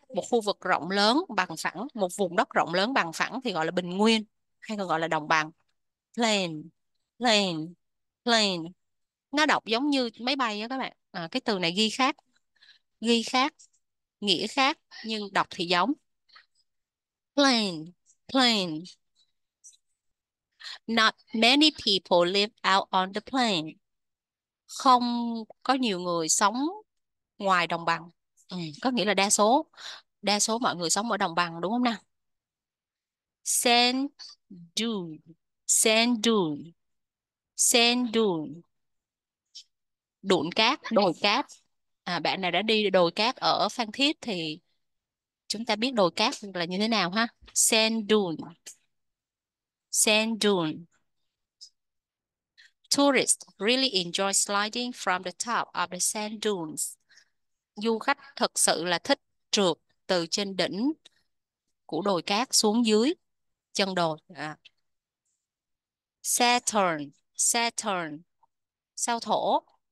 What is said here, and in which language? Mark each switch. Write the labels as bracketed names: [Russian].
[Vietnamese] Một khu vực rộng lớn bằng phẳng, một vùng đất rộng lớn bằng phẳng thì gọi là bình nguyên hay còn gọi là đồng bằng. [English] Plane, plane, plane. [Vietnamese] Nó đọc giống như máy bay á các bạn. À, cái từ này ghi khác. Ghi khác, nghĩa khác nhưng đọc thì giống. [English] Plane, plane. Not many people live out on the plain. [Vietnamese] Không có nhiều người sống ngoài đồng bằng. Ừ, có nghĩa là đa số mọi người sống ở đồng bằng đúng không nào? [English] Sand dune, sand dune, sand dune, [Vietnamese] đụn cát, đồi cát. À, bạn nào đã đi đồi cát ở Phan Thiết thì chúng ta biết đồi cát là như thế nào ha? [English] Sand dune, sand dune. Tourists really enjoy sliding from the top of the sand dunes. [Vietnamese] Du khách thật sự là thích trượt từ trên đỉnh của đồi cát xuống dưới chân đồi. À. [English] Saturn, Saturn, sao thổ.